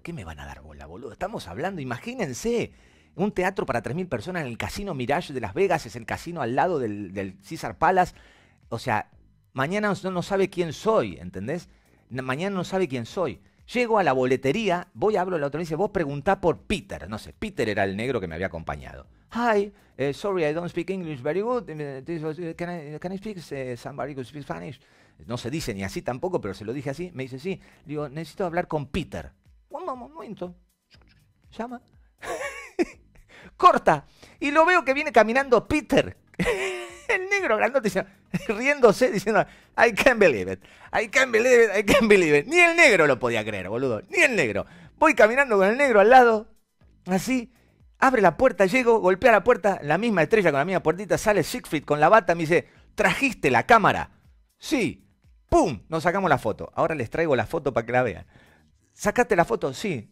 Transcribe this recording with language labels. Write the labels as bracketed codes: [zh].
[es] ¿Qué me van a dar bola, boludo? Estamos hablando, imagínense. Un teatro para 3.000 personas en el Casino Mirage de Las Vegas. Es el casino al lado del Caesar Palace. O sea, mañana no sabe quién soy, ¿entendés? Mañana no sabe quién soy. Llego a la boletería, voy, hablo a la otra y dice, vos preguntá por Peter. No sé, Peter era el negro que me había acompañado. [en] Hi, sorry, I don't speak English very good. Can I speak somebody who speaks Spanish? [es] No se dice ni así tampoco, pero se lo dije así. Me dice, sí. Digo, necesito hablar con Peter. Un momento. Llama. Corta. Y lo veo que viene caminando Peter. El negro grandote. Riéndose, diciendo, [en] I can't believe it. [es] Ni el negro lo podía creer, boludo. Ni el negro. Voy caminando con el negro al lado. Así. Abre la puerta, llego, golpea la puerta. La misma estrella con la misma puertita. Sale Siegfried con la bata. Me dice, ¿trajiste la cámara? Sí. ¡Pum! Nos sacamos la foto. Ahora les traigo la foto para que la vean. ¿Sacaste la foto? Sí.